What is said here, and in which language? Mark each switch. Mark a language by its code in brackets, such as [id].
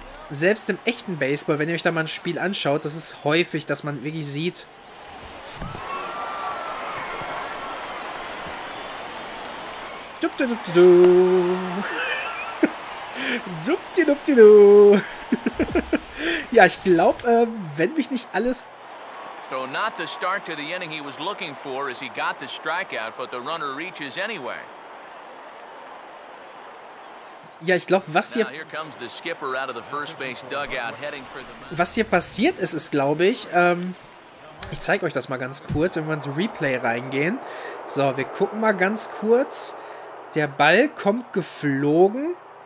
[de] Selbst im echten Baseball, wenn ihr euch da mal ein Spiel anschaut, das ist häufig, dass man wirklich sieht. Dup-di-dup-di-du. Dup-di-dup-di-du. Ja, ich glaube, wenn mich nicht alles... [en] So not the start to the inning he was looking for as he got the strikeout, but the runner reaches anyway. [de] Ja, ich glaube, was hier passiert ist, ist, glaube ich, ich zeige euch das mal ganz kurz, wenn wir ins Replay reingehen. So, wir gucken mal ganz kurz. Der Ball kommt geflogen.